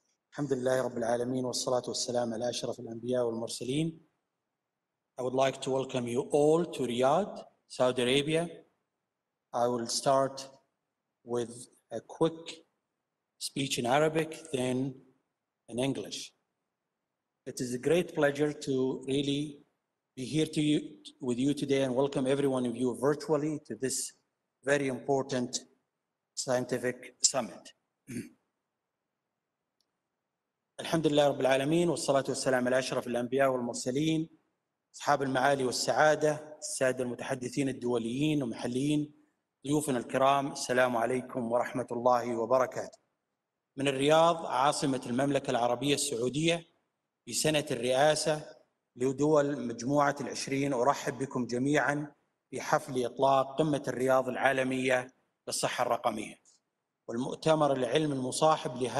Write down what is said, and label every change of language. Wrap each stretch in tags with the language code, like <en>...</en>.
<ar>الحمد لله رب العالمين والصلاة والسلام على أشرف الأنبياء والمرسلين.</ar> <en>I would like to welcome you all to Riyadh, Saudi Arabia. I will start with a quick speech in Arabic, then in English. It is a great pleasure to really be here to you, with you today and welcome every one of you virtually to this very important scientific summit.</en> <ar>الحمد لله رب العالمين والصلاة والسلام على أشرف الأنبياء والمرسلين أصحاب المعالي والسعادة السادة المتحدثين الدوليين ومحليين ضيوفنا الكرام السلام عليكم ورحمة الله وبركاته من الرياض عاصمة المملكة العربية السعودية في سنة الرئاسة لدول مجموعة العشرين أرحب بكم جميعا في حفل إطلاق قمة الرياض العالمية للصحة الرقمية والمؤتمر العلمي المصاحب</ar>